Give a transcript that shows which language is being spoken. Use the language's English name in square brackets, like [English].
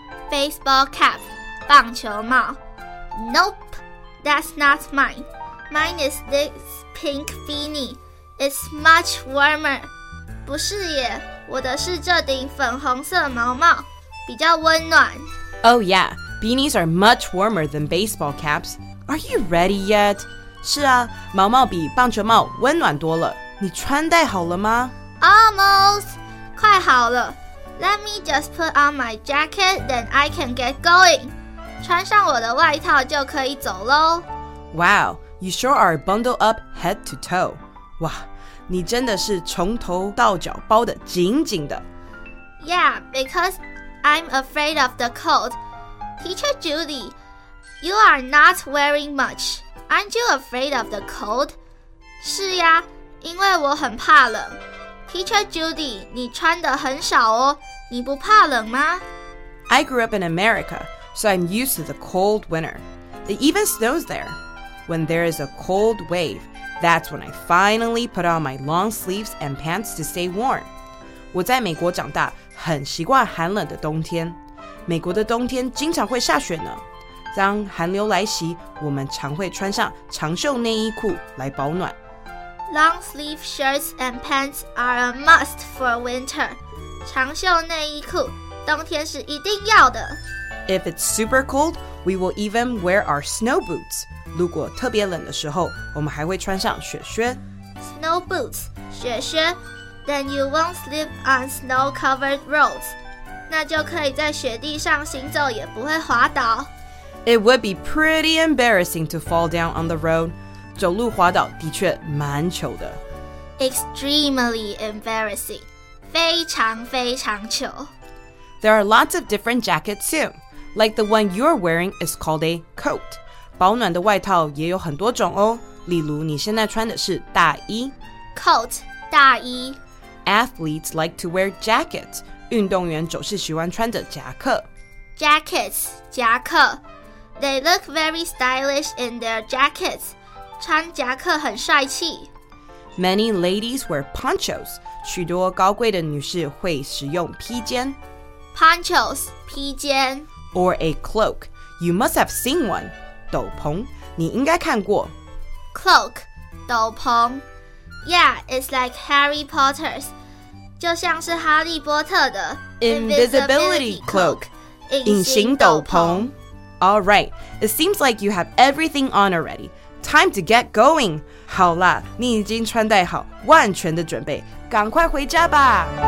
[English] Baseball cap, [Chinese] 棒球帽。 [English] Nope, that's not mine. Mine is this pink beanie. It's much warmer. [Chinese] 不是耶，我的是这顶粉红色毛帽，比较温暖。 [English] Oh yeah, beanies are much warmer than baseball caps. Are you ready yet? [Chinese] 是啊，毛毛比棒球帽温暖多了。你穿戴好了吗？ [English] Almost! [Chinese] 快好了。 [English] Let me just put on my jacket, then I can get going. [Chinese] 穿上我的外套就可以走咯。 [English] Wow, you sure are bundled up head to toe. [Chinese] 哇，你真的是从头到脚包得紧紧的。 [English] Yeah, because I'm afraid of the cold. Teacher Judy, you are not wearing much. Aren't you afraid of the cold? [Chinese] 是呀，因为我很怕冷。 Teacher Judy, 你穿得很少哦，你不怕冷吗？ [English] I grew up in America, so I'm used to the cold winter. It even snows there. When there is a cold wave, that's when I finally put on my long sleeves and pants to stay warm. [Chinese] 我在美国长大，很习惯寒冷的冬天。美国的冬天经常会下雪呢。当寒流来袭，我们常会穿上长袖内衣裤来保暖。 [English] Long sleeve shirts and pants are a must for winter. [Chinese] 长袖内衣裤，冬天是一定要的。 [English] If it's super cold, we will even wear our snow boots. [Chinese] 如果特别冷的时候，我们还会穿上雪靴。 [English] Snow boots, [Chinese] 雪靴。 [English] Then you won't slip on snow-covered roads. [Chinese] 那就可以在雪地上行走，也不会滑倒。 [English] It would be pretty embarrassing to fall down on the road. [Chinese] 走路滑倒的确蛮糗的。 [English] Extremely embarrassing. [Chinese] 非常非常糗。 [English] There are lots of different jackets too. Like the one you're wearing is called a coat. [Chinese] 保暖的外套也有很多种哦。例如你现在穿的是大衣。 [English] Coat, [Chinese] 大衣。 [English] Athletes like to wear jackets. [Chinese] 运动员总是喜欢穿着夹克。 [English] Jackets, [Chinese] 夹克。 [English] They look very stylish in their jackets. [Chinese] 穿夹克很帅气。 [English] Many ladies wear ponchos. [Chinese] 许多高贵的女士会使用披肩。 [English] Ponchos, [Chinese] 披肩。 [English] Or a cloak. You must have seen one. [Chinese] 斗篷，你应该看过。 [English] Cloak, [Chinese] 斗篷。 [English] Yeah, it's like Harry Potter's. [Chinese] 就像是哈利波特的。 [English] Invisibility cloak. [Chinese] 隐形斗篷。 [English] All right, it seems like you have everything on already. Time to get going. [Chinese] 好啦，你已经穿戴好，万全的准备，赶快回家吧。